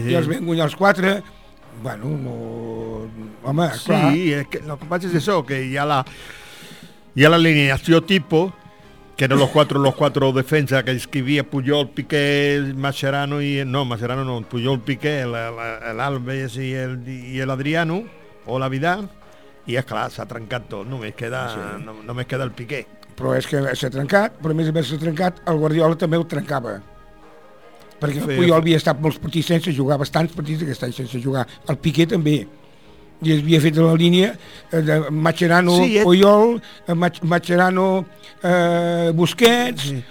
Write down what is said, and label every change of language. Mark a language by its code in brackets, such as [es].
[ca] I els vam guanyar els quatre... Bueno, no... Home, sí, clar... Sí, el que passa és això, que hi ha la... [es] Y a la alineación tipo, que eran los cuatro defensas que escribía Puyol, Piqué, Mascherano y... No, Mascherano no, Puyol, Piqué, el Alves y el Adriano, o la Vidal, y es claro, se ha trencado todo, no me queda el Piqué. Pero es que se ha trencado, pero a més se ha trencado, el Guardiola también lo trencaba. Porque el Puyol había estado muchos partidos sin jugar, bastantes partidos que están sin jugar, el Piqué también. [ca] I es havia fet la línia de Mascherano, sí, Puyol, Mascherano, Busquets, sí.